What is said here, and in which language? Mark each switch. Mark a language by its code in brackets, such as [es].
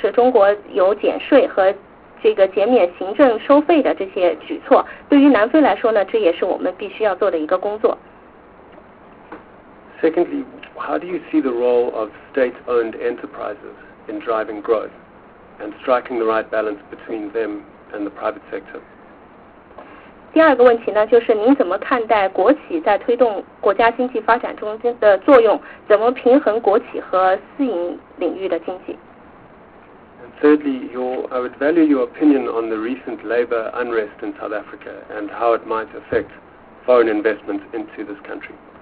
[zh] 那么首先谢谢石主任，刚才呢您也讲到中国的经济增速已经低于8%了，我想呢应该是7.6%现在，但是这个数字仍然是我们的两倍，对于南非来说我们的增速甚至比马来西亚、秘鲁、印尼这些国家都要低，所以呢我的第一个问题就是我们应该怎样推动经济的发展和这个经济增速，另外呢您也提到了就是中国有减税和 这个减免行政收费的这些举措，对于南非来说呢，这也是我们必须要做的一个工作。 [en] Secondly, how do you see the role of state-owned enterprises in driving growth and striking the right balance between them and the private sector? [zh] 第二个问题呢，就是您怎么看待国企在推动国家经济发展中的作用，怎么平衡国企和私营领域的经济？ [en] Thirdly, I would value your opinion on the recent labor unrest in South Africa and how it might affect foreign investment into this country.